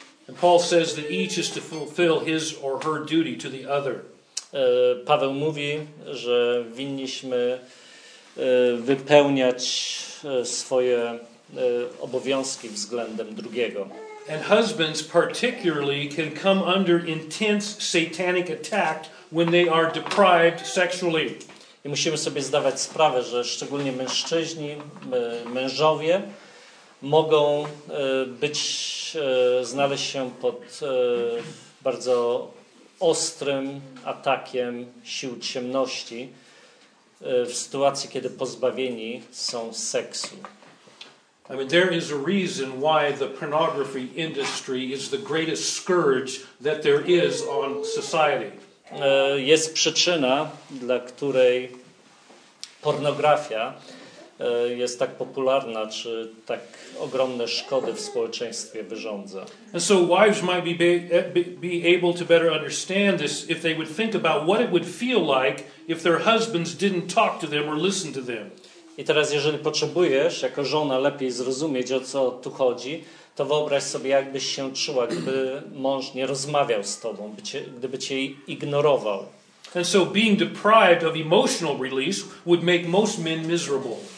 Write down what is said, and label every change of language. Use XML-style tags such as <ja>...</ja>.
<en>And Paul says that each is to fulfill his or her duty to the other.</en> <pl>Paweł mówi, że winniśmy wypełniać swoje obowiązki względem drugiego.</pl> <en>And husbands particularly can come under intense satanic attack when they are deprived sexually.</en> <pl>I musimy sobie zdawać sprawę, że szczególnie mężczyźni, mężowie mogą być, znaleźć się pod bardzo ostrym atakiem sił ciemności w sytuacji, kiedy pozbawieni są seksu.</pl> <en>I mean, there is a reason why the pornography industry is the greatest scourge that there is on society.</en> <pl>Jest przyczyna, dla której pornografia jest tak popularna, czy tak ogromne szkody w społeczeństwie wyrządza.</pl> <en>And so wives might be able to better understand this if they would think about what it would feel like if their husbands didn't talk to them or listen to them.</en> <pl>I teraz, jeżeli potrzebujesz jako żona lepiej zrozumieć, o co tu chodzi, to wyobraź sobie, jakbyś się czuła, gdyby mąż nie rozmawiał z tobą, gdyby cię ignorował.</pl> <en>And so being deprived of emotional release would make most men miserable.</en>